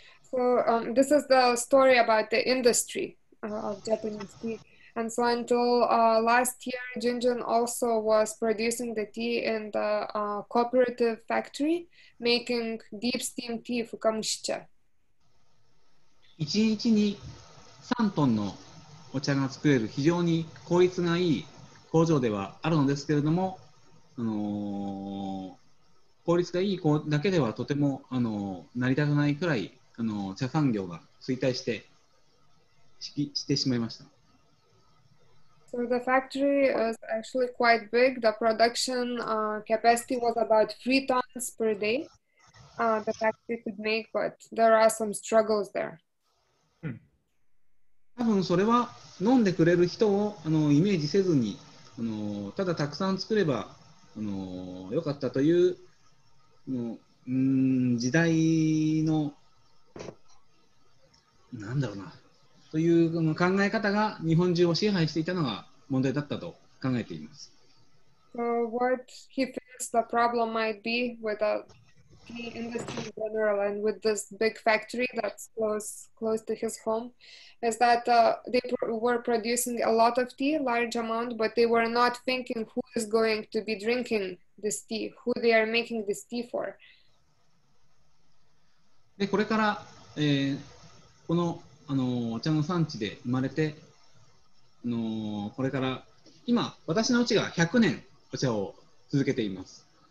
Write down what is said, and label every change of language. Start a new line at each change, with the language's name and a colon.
English: So, this is the story about the industry of Japanese tea. And so until last year, Junjun also was producing the tea in the cooperative factory, making deep steam tea fukamushicha.
Japanese: 1日に3トンのお茶が作れる非常に効率がいい工場ではあるのですけれども、効率がいい子だけではとても成り立たないくらい茶産業が衰退してしまいました。
English: So the factory is actually quite big. The production capacity was about 3 tons per day. The factory could make, but there are some struggles there.
Japanese: 多分それは飲んでくれる人をイメージせずにただたくさん作ればよかったという時代のなんだろうなという考え方が日本中を支配していたのが問題だったと考えています。
English: So what he thinks the problem might be with the tea industry in general and with this big factory that's close to his home is that they were producing a lot of tea, large amount, but they were not thinking who is going to be drinking this tea, who they are making this tea for.
Japanese: でこれから、このお茶の産地で生まれて、これから今私のうちが100年お茶を続けています。